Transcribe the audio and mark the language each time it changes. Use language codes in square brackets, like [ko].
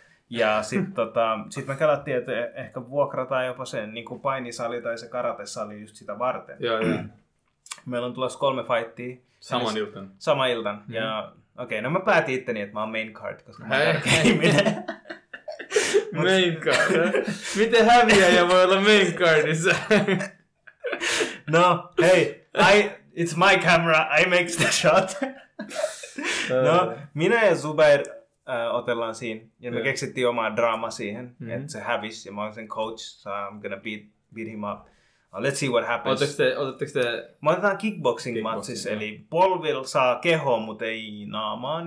[fi] Ja sitten me kelattiin, että ehkä vuokrataan jopa sen niin kuin painisali tai se karatesali just sitä varten. Joo. Meillä on tulossa 3 fightia. Saman iltan. Saman iltan. Mm-hmm. Ja okei, no mä päätin itteni, että mä oon main card, koska mä oon tärkeimmille. Main card, eh? Miten häviäjä voi olla main cardissa? No, hei, [en] it's my camera, I make the shot. [fi] No, minä ja Zubair otellaan siinä, ja me keksittiin omaa draamaa siihen, mm-hmm. että se hävisi, ja mä oon sen coach, [en] so I'm gonna beat him up. Let's see what happens. [fi] Otetteko te... Me otetaan kickboxing-matsissa, eli polvil saa kehoon, mutta ei naamaan.